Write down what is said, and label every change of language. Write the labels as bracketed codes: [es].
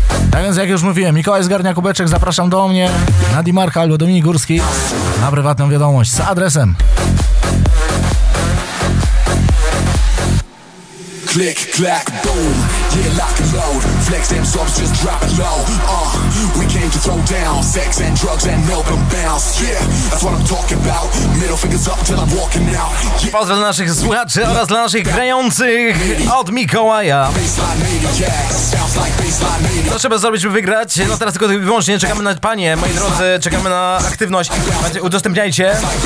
[pl] Tak więc jak już mówiłem, Mikołaj zgarnia kubeczek, zapraszam do mnie, na Dimarka albo Dominik Górski, na prywatną wiadomość z adresem. [en] Click, clack, boom, yeah, lock and load. Flex them subs, just drop it low. We came to throw down. Sex and drugs and Melbourne bounce. Yeah, that's what I'm talking about. Middle fingers up till I'm walking out, yeah. [pl] Pozdrow dla naszych słuchaczy oraz dla naszych grających. Od Mikołaja. Co trzeba zrobić, by wygrać? No teraz tylko wyłącznie czekamy na panie, moi drodzy, czekamy na aktywność. Udostępniajcie.